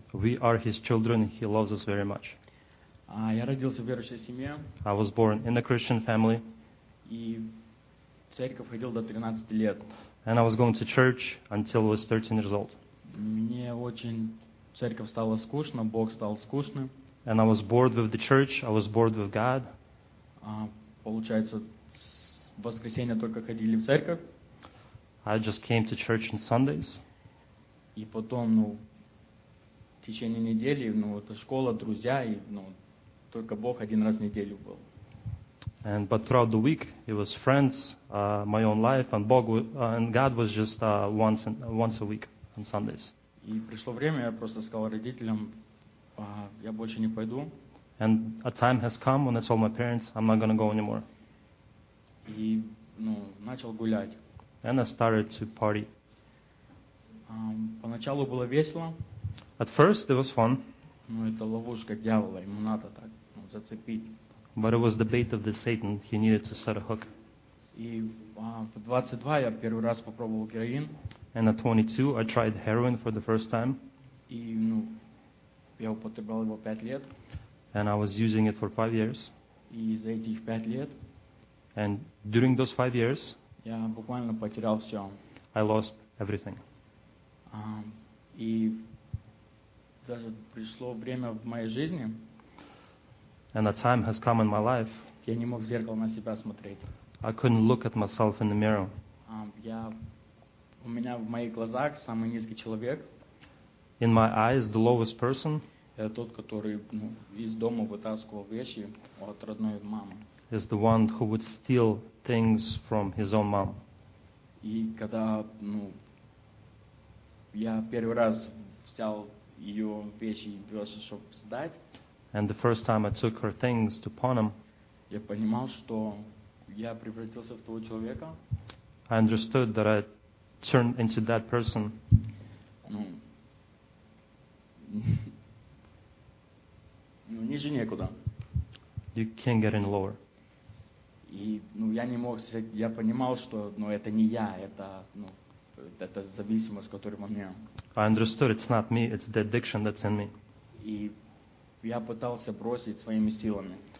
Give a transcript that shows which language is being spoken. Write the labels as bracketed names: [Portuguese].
[English] We are His children, He loves us very much. [Russian] Я родился в верующей семье. [English] I was born in a Christian family. [Russian] И в церковь ходил до 13 лет. [English] And I was going to church until I was 13 years old. [Russian] Мне очень церковь стала скучно, Бог стал скучным. [English] And I was bored with the church, I was bored with God. [Russian] Получается, в воскресенье только ходили в церковь. [English] I just came to church on Sundays. [Russian] И потом, в течение недели, эта школа, друзья, и только Бог один раз в неделю был. [English] And but throughout the week it was friends, my own life, and Bog, and God was just once a week on Sundays. [Russian] И пришло время, я просто сказал родителям, я больше не пойду. [English] And a time has come when I told my parents, I'm not going to go anymore. [Russian] И ну начал гулять. [English] And I started to party. [Russian] Поначалу было весело. [English] At first it was fun. [Russian] Но это ловушка дьявола, ему надо так зацепить. [English] But it was the bait of the Satan. He needed to set a hook. [Russian] И в 22 я первый раз попробовал героин. [English] And at 22 I tried heroin for the first time. [Russian] И ну я употреблял его 5 лет. [English] And I was using it for 5 years. [Russian] И за этих 5 лет. [English] And during those 5 years. [Russian] Я буквально потерял все. [English] I lost everything. [Russian] И даже пришло время в моей жизни. [English] And a time has come in my life. [Russian] Я не мог в зеркало на себя смотреть. [English] I couldn't look at myself in the mirror. [Russian] У меня в моих глазах самый низкий человек. [English] In my eyes, the lowest person. [Russian] Это тот, который ну, из дома вытаскивал вещи от родной мамы. [English] Is the one who would steal things from his own mom. [Russian] И когда ну я первый раз взял ее вещи и просто чтобы сдать. [English] And the first time I took her things to pawn them, [Russian] я понимал, что я превратился в того человека. [English] I understood that I turned into that person. [Russian] Ну, ниже некуда. [English] You can't get any lower. [Russian] И, ну, я не мог, я понимал, что, ну, это не я, это, ну, это зависимость, которая во мне. [English] I understood it's not me, it's the addiction that's in me. [Russian] И я пытался бросить своими силами.